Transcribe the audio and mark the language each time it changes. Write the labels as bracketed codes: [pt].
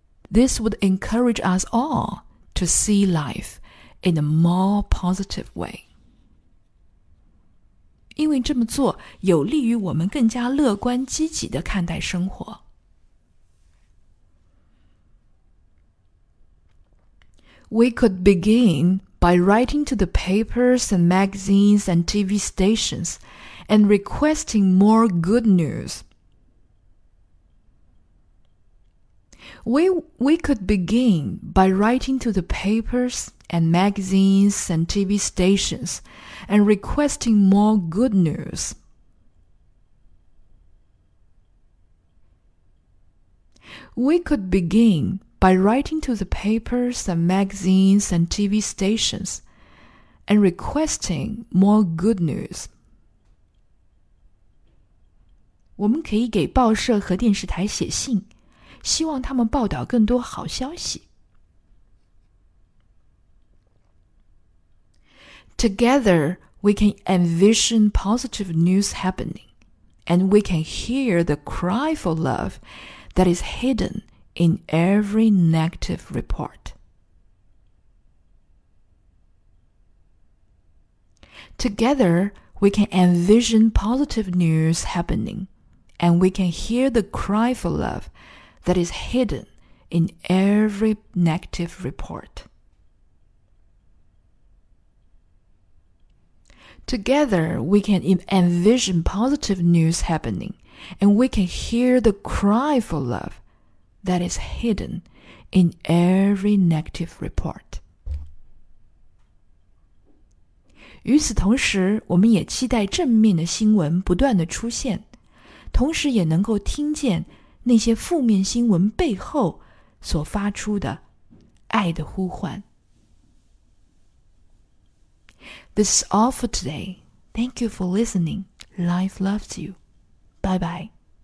[en] This would encourage us all to see life in a more positive way. [zh] 因为这么做有利于我们更加乐观积极地看待生活。 [en] We could begin by writing to the papers and magazines and TV stations and requesting more good news. We could begin by writing to the papers and magazines and TV stations and requesting more good news. We could begin by writing to the papers and magazines and TV stations and requesting more good news. [zh] 我们可以给报社和电视台写信，希望他们报道更多好消息。 [en] Together, we can envision positive news happening, and we can hear the cry for love that is hidden in every negative report. Together, we can envision positive news happening, and we can hear the cry for love that is hidden in every negative report. Together, we can envision positive news happening, and we can hear the cry for love that is hidden in every negative report. [zh] 与此同时，我们也期待正面的新闻不断地出现，同时也能够听见那些负面新闻背后所发出的爱的呼唤。 [en] This is all for today. Thank you for listening. Life loves you. Bye-bye.